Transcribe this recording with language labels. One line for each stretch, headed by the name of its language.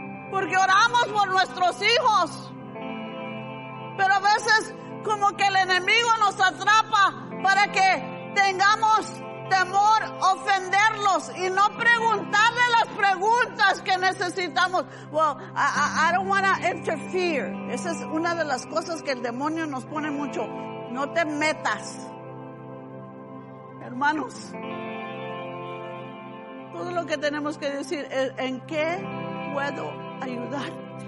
Spanish: Porque oramos por nuestros hijos. Pero a veces como que el enemigo nos atrapa para que tengamos temor ofenderlos y no preguntarle las preguntas que necesitamos.
English: Well, I don't want to interfere.
Spanish: Esa es una de las cosas que el demonio nos pone mucho. No te metas. hermanos, todo lo que tenemos que decir es: ¿en qué puedo ayudarte?